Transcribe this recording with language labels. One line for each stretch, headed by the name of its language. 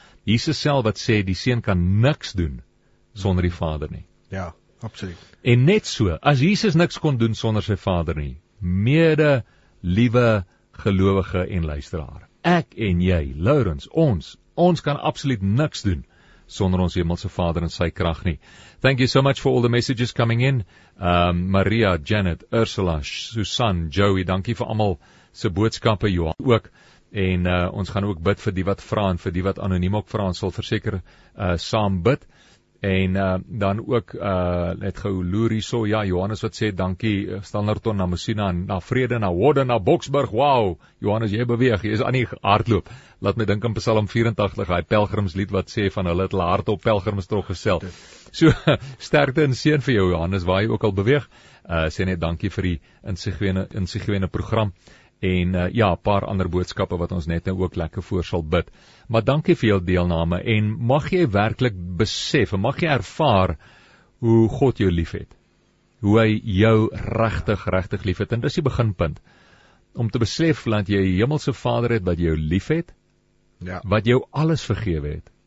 Afrikaans: Jesus self wat sê die Seun kan niks doen sonder die Vader nie. Ja. Absoluut. En net so, as Jesus niks kon doen sonder sy Vader nie, mede liewe gelowige en luisteraar. Ek en jy, Lourens, ons kan absoluut niks doen sonder ons Hemelse Vader en sy krag nie.
English: Thank you so much for all the messages coming in.
Afrikaans: Maria, Janet, Ursula, Susan, Joey, dankie vir almal se boodskappe, Johan ook. En ons gaan ook bid vir die wat vra en vir die wat anoniem ook vra, ons sal verseker saam bid. En dan ook, het gou loer hierso, ja, Johannes wat sê, dankie, Standerton, na Messina, na Vrede, na Woorde, na Boksburg, wow, Johannes, jy beweeg, jy is aan die hardloop. Laat my dink in Psalm 84, hy pelgrimslied wat sê, van hulle het hulle hart op pelgrimstrog gesel. So, sterkte en seën vir jou, Johannes, waar jy ook al beweeg, sê net dankie vir die insigwene program. En ja, paar ander boodskappe wat ons net nou ook lekker voor sal bid. Maar dankie vir jou deelname en mag jy werklik besef en mag jy ervaar hoe God jou lief het. Hoe hy jou regtig, regtig lief het. En dis die beginpunt. Om te besef dat jy Hemelse Vader het wat jou lief het, ja. Wat jou alles vergewe het.